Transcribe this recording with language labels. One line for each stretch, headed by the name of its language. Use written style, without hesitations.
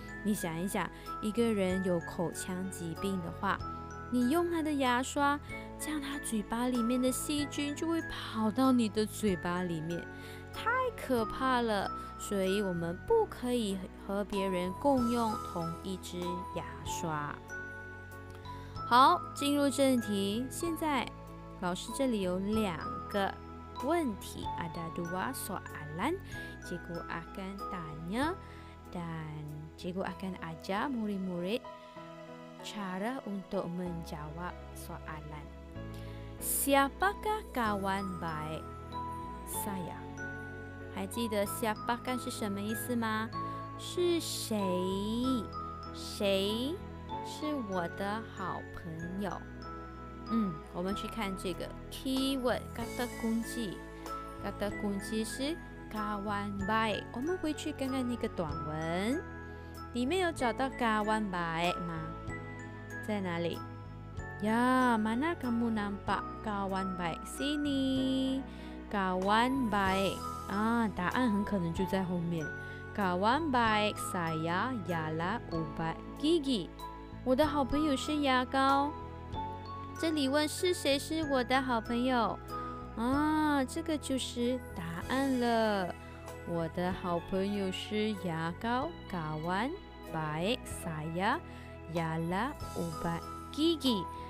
Chinese: 你想一想，一个人有口腔疾病的话，你用他的牙刷，这样他嘴巴里面的细菌就会跑到你的嘴巴里面，太可怕了。所以我们不可以和别人共用同一支牙刷。好，进入正题。
Malay: 现在老师这里有两个问题， ada dua soalan， cikgu akan tanya dan cikgu akan ajar murid-murid cara untuk menjawab soalan. Siapakah kawan baik saya?
Chinese: 还记得 siapakan 是什么意思吗？是谁？谁是我的好朋友？我们去看这个 keyword kata kunci。 kata kunci 是 kawan baik。我们回去看看那个短文，里面有找到 kawan baik 吗？
Malay: 在哪里？呀， mana kamu nampak kawan baik sini？
Chinese: kawan baik。答案很可能就在后面。
Malay: Kawan baik saya ialah ubat gigi. 我的好朋友是牙膏。
Chinese: 这里问是谁是我的好朋友啊，这个就是答案了。我的好朋友是牙膏、嘎丸、白、撒牙、牙拉、五百、吉吉。